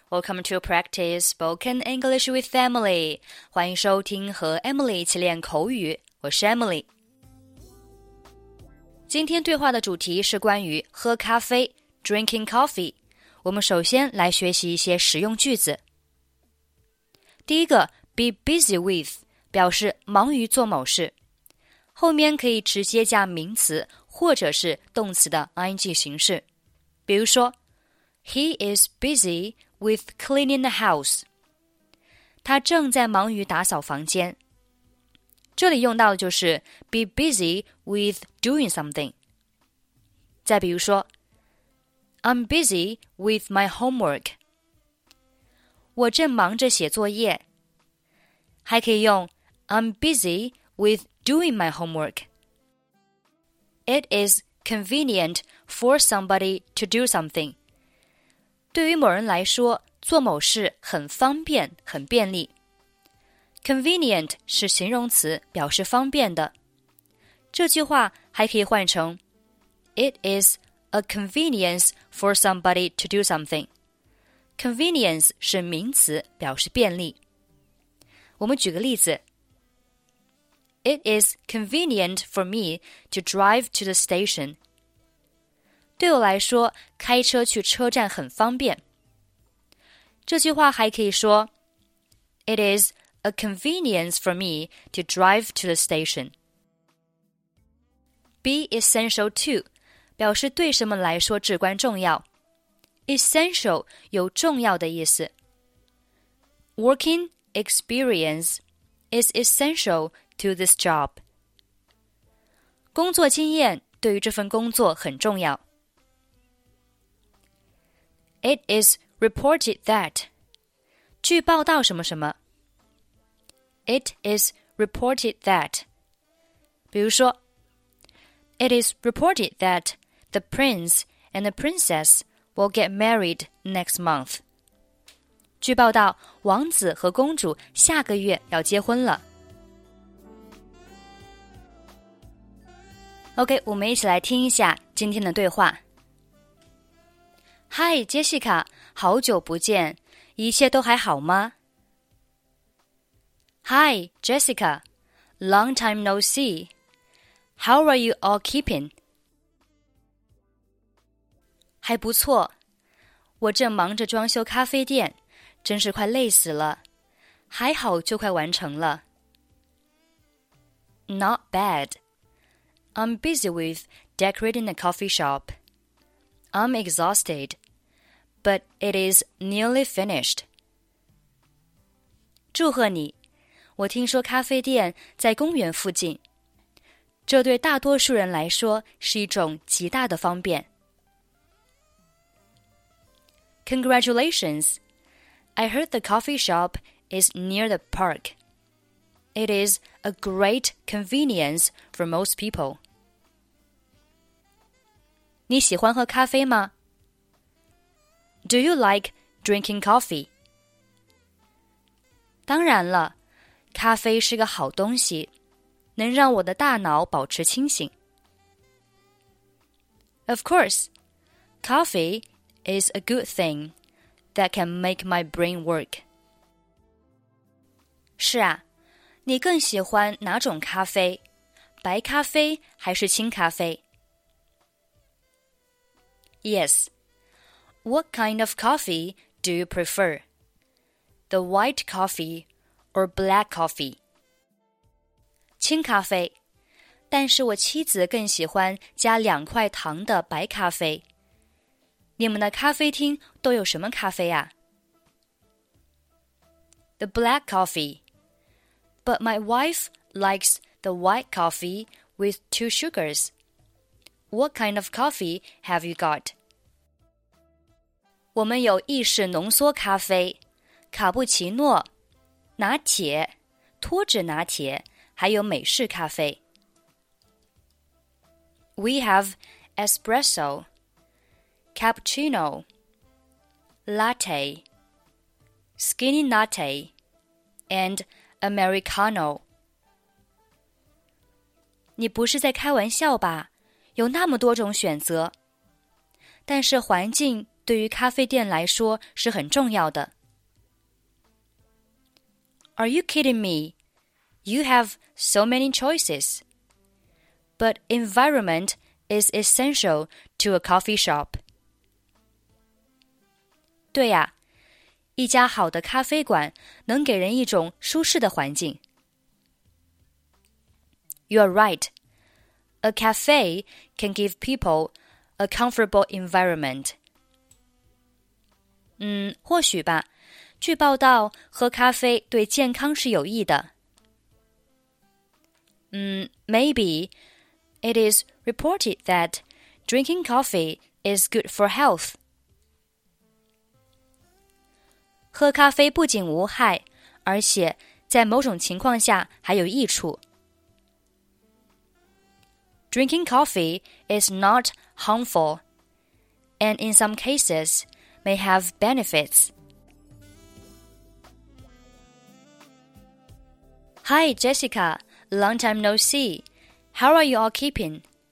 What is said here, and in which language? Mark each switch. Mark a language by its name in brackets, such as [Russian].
[English] Welcome to Practice Spoken English with Emily. [Chinese] 欢迎收听和 Emily 一起练口语。我是 Emily。今天对话的主题是关于喝咖啡 , [English] drinking coffee。 [Chinese] 我们首先来学习一些实用句子。第一个 , [English] be busy with, [Chinese] 表示忙于做某事。后面可以直接加名词或者是动词的 ing 形式。比如说 [English] He is busy with cleaning the house. [Chinese] 他正在忙于打扫房间。这里用到的就是 [English] be busy with doing something. 再比如说 I'm busy with my homework. [Chinese] 我正忙着写作业。 [English] 还可以用 I'm busy with doing my homework. It is convenient for somebody to do something. [Chinese] 对于某人来说，做某事很方便，很便利。 Convenient 是形容词，表示方便的。这句话还可以换成 [English] It is a convenience for somebody to do something. [Chinese] Convenience 是名词，表示便利。我们举个例子。 [English] It is convenient for me to drive to the station. [Chinese] 对我来说，开车去车站很方便。这句话还可以说 [English] It is a convenience for me to drive to the station. Be essential to [Chinese] 表示对什么来说至关重要。 Essential 有重要的意思。 [English] Working experience is essential to this job. [Chinese] 工作经验对于这份工作很重要。 [English] It is reported that. [Chinese] 据报道什么什么。 [English] It is reported that. [Chinese] 比如说 [English] It is reported that the prince and the princess will get married next month. [Chinese] 据报道王子和公主下个月要结婚了。 OK, 我们一起来听一下今天的对话。Hi, Jessica, 好久不见,一切都还好吗? [English] Hi, Jessica, long time no see. How are you all keeping? [Chinese] 还不错,我正忙着装修咖啡店,真是快累死了,还好就快完成了。 [English] Not bad. I'm busy with decorating the coffee shop. I'm exhausted. But it is nearly finished. [Chinese] 祝贺你，我听说咖啡店在公园附近，这对大多数人来说是一种极大的方便。 [English] Congratulations! I heard the coffee shop is near the park. It is a great convenience for most people. [Chinese] 你喜欢喝咖啡吗？ [English] Do you like drinking coffee? [Chinese] 当然了，咖啡是个好东西，能让我的大脑保持清醒。 [English] Of course, coffee is a good thing that can make my brain work. [Chinese] 是啊，你更喜欢哪种咖啡？白咖啡还是清咖啡？ [English] Yes. What kind of coffee do you prefer? The white coffee or black coffee? [Chinese] 清咖啡，但是我妻子更喜欢加两块糖的白咖啡。你们的咖啡厅都有什么咖啡啊？ [English] The black coffee. But my wife likes the white coffee with two sugars. What kind of coffee have you got? [Chinese] 我们有意式浓缩咖啡、卡布奇诺、拿铁、脱脂拿铁，还有美式咖啡。 [English] We have espresso, cappuccino, latte, skinny latte, and americano. [Chinese] 你不是在开玩笑吧？有那么多种选择，但是环境对于咖啡店来说是很重要的。 [English] Are you kidding me? You have so many choices. But environment is essential to a coffee shop. [Chinese] 对呀，一家好的咖啡馆能给人一种舒适的环境。 [English] You are right. A cafe can give people a comfortable environment. [Chinese] 或许吧。据报道，喝咖啡对健康是有益的。 [English] Maybe it is reported that drinking coffee is good for health. [Chinese] 喝咖啡不仅无害，而且在某种情况下还有益处。 [English] Drinking coffee is not harmful, and in some cases may have benefits. Hi, Jessica. Long time no see. How are you all keeping?